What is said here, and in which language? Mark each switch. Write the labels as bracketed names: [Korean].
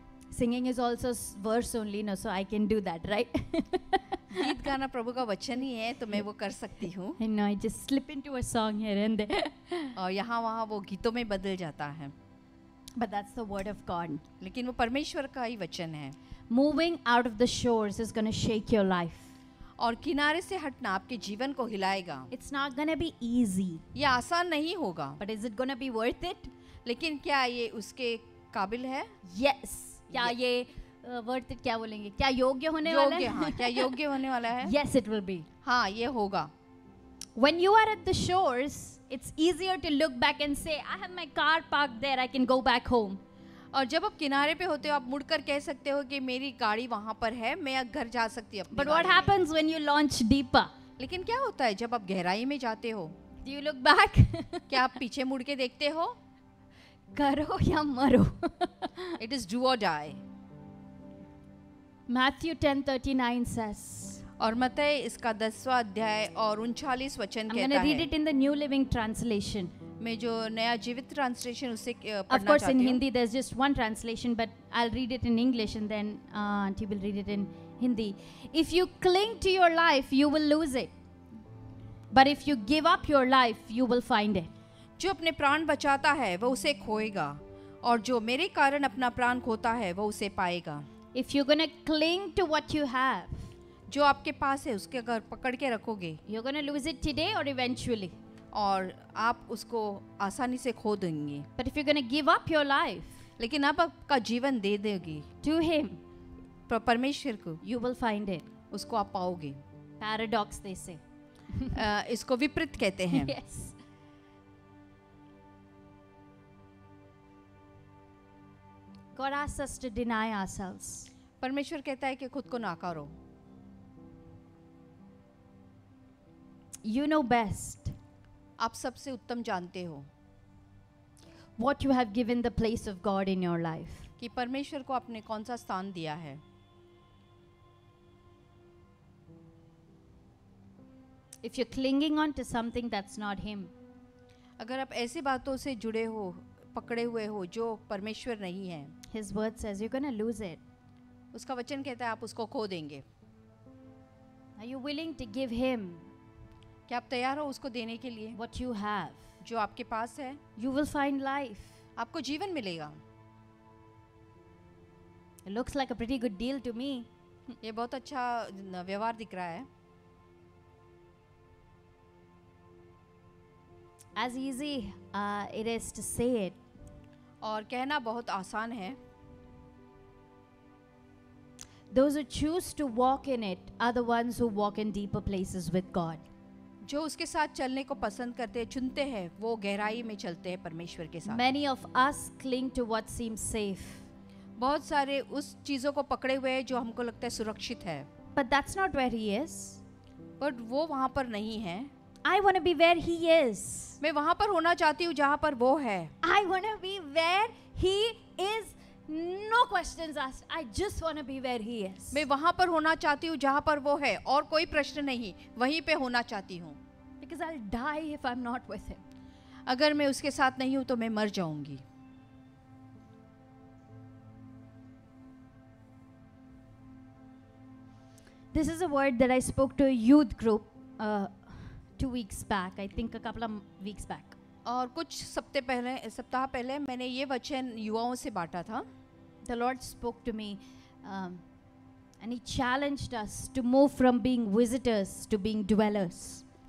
[English] Singing is also verse only, no? So I can do that, right? [Hindi] गीत गाना प्रभु का वचन ही है तो मैं वो कर सकती हूँ. [English] No, I just slip into a song here and there. [Hindi] और यहाँ वहाँ वो गीतों में बदल जाता है. [English] But that's the word of God. [Hindi] लेकिन वो परमेश्वर का ही वचन है. [English] Moving out of the shores is going to shake your life. [Hindi] और किनारे से हटना आपके जीवन को हिलाएगा. [English] It's not gonna be easy. [Hindi] ये आसान नहीं होगा. [English] But is it gonna be worth it? [Hindi] लेकिन क्या ये उसके काबिल है? [English] Yes. [Hindi] क्या ये [English] worth it [Hindi] क्या बोलेंगे? क्या योग्य होने वाला है? योग्य हाँ. क्या योग्य होने वाला है? [English] Yes, it will be. [Hindi] हाँ, ये होगा. [English] When you are at the shores, it's easier to look back and say, I have my car parked there. I can go back home. [Hindi] और जब आप किनारे पे होते हो आप मुड़कर कह सकते हो कि मेरी गाड़ी वहां पर है मैं घर जा सकती हूँ. [English] But what happens when you launch deeper? [Hindi] लेकिन क्या होता है जब आप गहराई में जाते हो? [English] Do you look back? [Hindi] क्या आप पीछे मुड़ के देखते हो? करो या मरो. [English] It is do or die. Matthew 10:39 says. [Hindi] और मत्तै इसका 10वां अध्याय और 39 वचन कहता है. [English] I'm going to read it in the New Living Translation. [Hindi] मैं जो नया जीवित ट्रांसलेशन उसे पढ़ना चाहती हूँ. [English] Of course, in Hindi there's just one translation, but I'll read it in English and then Auntie will read it in Hindi. If you cling to your life, you will lose it. But if you give up your life, you will find it. [Hindi] जो अपने प्राण बचाता है, वो उसे खोएगा, और जो मेरे कारण अपना प्राण खोता है, वो उसे पाएगा. [English] If you're gonna cling to what you have, [Hindi] जो आपके पास है, उसके अगर पकड़ के रखोगे, [English] you're gonna lose it today or eventually. [Hindi] और आप उसको आसानी से खो देंगे. [English] But if you're gonna give up your life, [Hindi] लेकिन आप आपका जीवन दे देंगे [English] to him, [Hindi] परमेश्वर को, [English] you will find it. [Hindi] उसको आप पाओगे. [English] Paradox they say. [Hindi] इसको विपरीत कहते हैं. [English] Yes. God asks us to deny ourselves. [Hindi] परमेश्वर कहता है कि खुद को नाकारो. [English] You know best. [Hindi] आप सबसे उत्तम जानते हो. [English] What you have given the place of God in your life. [Hindi] कि परमेश्वर को आपने कौन सा स्थान दिया है. [English] If you're clinging on to something that's not Him. [Hindi] अगर आप ऐसे बातों से जुड़े हो, पकड़े हुए हो जो परमेश्वर नहीं है. [English] His word says you're gonna lose it. [Hindi] उसका वचन कहता है आप उसको खो देंगे. [English] Are you willing to give Him? [Hindi] क्या आप तैयार हो उसको देने के लिए? [English] What you have. [Hindi] जो आपके पास है. [English] You will find life. [Hindi] आपको जीवन मिलेगा. [English] It looks like a pretty good deal to me. [Hindi] ये बहुत अच्छा व्यवहार दिख रहा है. [English] As easy it is to say it. [Hindi] और कहना बहुत आसान है. [English] Those who choose to walk in it are the ones who walk in deeper places with God. [Hindi] जो उसके साथ चलने को पसंद करते हैं, चुनते हैं, वो गहराई में चलते हैं परमेश्वर के साथ. [English] Many of us cling to what seems safe. [Hindi] बहुत सारे उस चीजों को पकड़े हुए हैं जो हमको लगता है सुरक्षित है. [English] But that's not where He is. [Hindi] But वो वहाँ पर नहीं है. [English] I want to be where He is. मैं वहाँ पर होना चाहती हूँ जहाँ पर वो है. I want to be where He is. No questions asked. I just want to be where He is. [Hindi] मैं वहाँ पर होना चाहती हूँ जहाँ पर वो है और कोई प्रश्न नहीं. वहीं पे होना चाहती हूँ. [English] Because I'll die if I'm not with Him. [Hindi] अगर मैं उसके साथ नहीं हूँ तो मैं मर जाऊँगी. [English] This is a word that I spoke to a youth group. Two weeks back. [Hindi] और कुछ सप्ताह पहले मैंने ये वचन युवाओं से बांटा था. [English] The Lord spoke to me and He challenged us to move from being visitors to being dwellers.